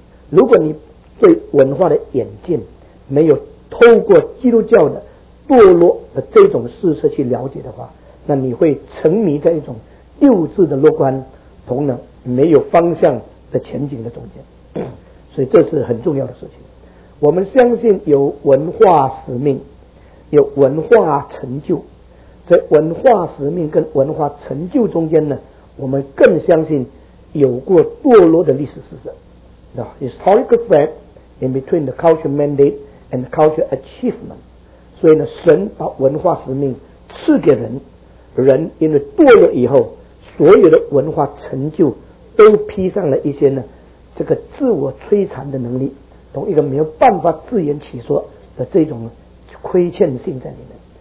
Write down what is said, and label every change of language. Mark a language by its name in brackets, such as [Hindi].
[Chinese] 如果你对文化的眼镜没有透过基督教的堕落的这种事实去了解的话，那你会沉迷在一种幼稚的乐观同呢没有方向的前景的中间。所以这是很重要的事情，我们相信有文化使命，有文化成就，在文化使命跟文化成就中间呢，我们更相信有过堕落的历史事实。 [English] The historical fact in between the cultural mandate and the cultural achievement. [Chinese] 所以呢，神把文化使命赐给人，人因为堕落以后，所有的文化成就都披上了一些呢，这个自我摧残的能力，同一个没有办法自圆其说的这种亏欠性在里面。